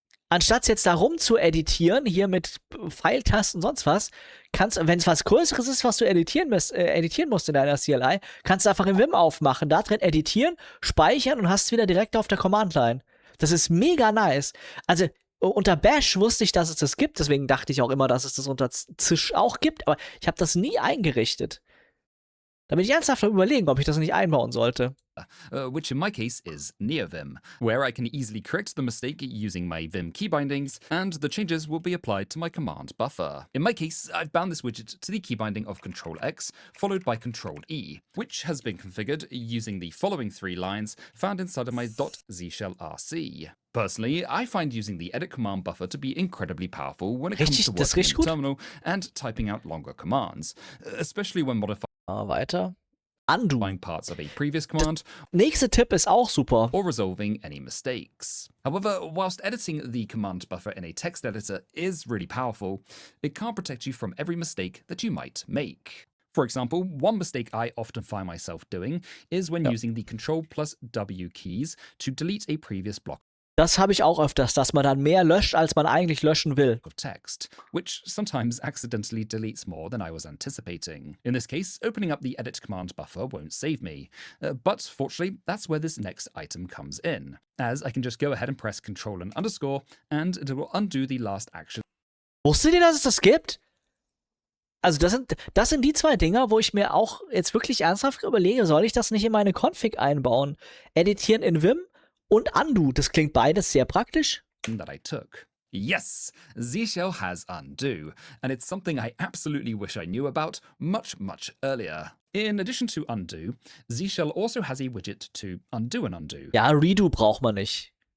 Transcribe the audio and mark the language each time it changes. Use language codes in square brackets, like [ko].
[de] Anstatt jetzt da rum zu editieren, hier mit Pfeiltasten und sonst was, kannst, wenn es was Größeres ist, was du editieren musst in deiner CLI, kannst du einfach im Vim aufmachen, da drin editieren, speichern und hast es wieder direkt auf der Command Line. Das ist mega nice. Also unter Bash wusste ich, dass es das gibt, deswegen dachte ich auch immer, dass es das unter Zisch auch gibt, aber ich habe das nie eingerichtet. Da bin ich ernsthaft am überlegen, ob ich das nicht einbauen sollte. [en] Which in my case is NeoVim, where I can easily correct the mistake using my Vim keybindings and the changes will be applied to my command buffer. In my case, I've bound this widget to the keybinding of Control X, followed by Control E, which has been configured using the following three lines found inside of my .zshellrc. Personally, I find using the edit command buffer to be incredibly powerful when it comes to working in the terminal and typing out longer commands, especially when modifying. [de] Weiter. Undo. [en] Parts of a previous command. [de] Nächste Tipp ist auch super. [en] Or resolving any mistakes. However, whilst editing the command buffer in a text editor is really powerful, it can't protect you from every mistake that you might make. For example, one mistake I often find myself doing is when using the Control plus W keys to delete a previous block. [de] Das habe ich auch öfters, dass man dann mehr löscht, als man eigentlich löschen will. [en] Text, which sometimes accidentally deletes more than I was anticipating. In this case, opening up the edit command buffer won't save me. But fortunately, that's where this next item comes in. As I can just go ahead and press Control and underscore, and it will undo the last action. [de] Wusstet ihr, dass es das gibt? Also das sind die zwei Dinger, wo ich mir auch jetzt wirklich ernsthaft überlege, soll ich das nicht in meine Config einbauen? Editieren in Vim? Und Undo, das klingt beides sehr praktisch. [en] That I took. Yes, Z-Shell has Undo, and it's something I absolutely wish I knew about much, much earlier. In addition to Undo, Z-Shell also has a widget to undo an undo. [de] Ja, Redo braucht man nicht.